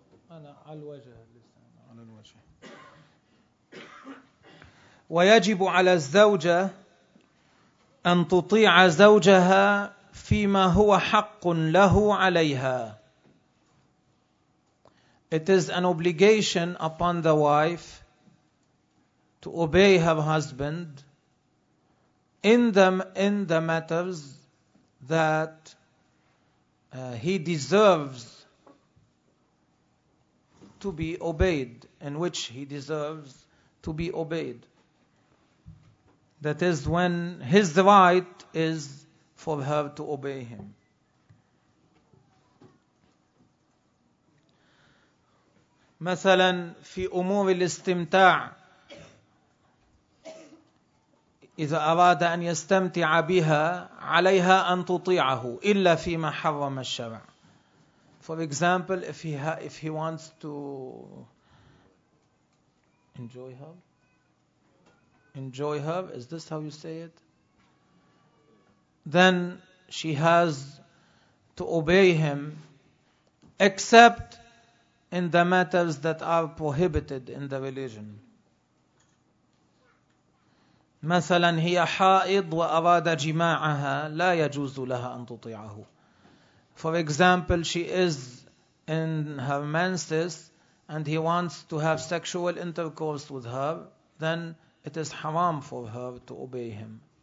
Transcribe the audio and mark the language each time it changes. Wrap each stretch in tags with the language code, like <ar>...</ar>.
<ar>أنا على الوجه لسان على الوجه. ويجب على الزوجة أن تطيع زوجها فيما هو حق له عليها.</ar> <en>It is an obligation upon the wife to obey her husband in the matters that he deserves to be obeyed, in which he deserves to be obeyed. That is when his right is for her to obey him.</en> <ar>مثلا في أمور الاستمتاع إذا أراد أن يستمتع بها عليها أن تطيعه إلا فيما حرم الشرع.</ar> <en>For example, if he wants to enjoy her, is this how you say it? Then she has to obey him except in the matters that are prohibited in the religion.</en> <ar>مثلا هي حائض وأراد جماعها لا يجوز لها أن تطيعه.</ar> <en>For example, she is in her menses and he wants to have sexual intercourse with her, then it is haram for her to obey him.</en>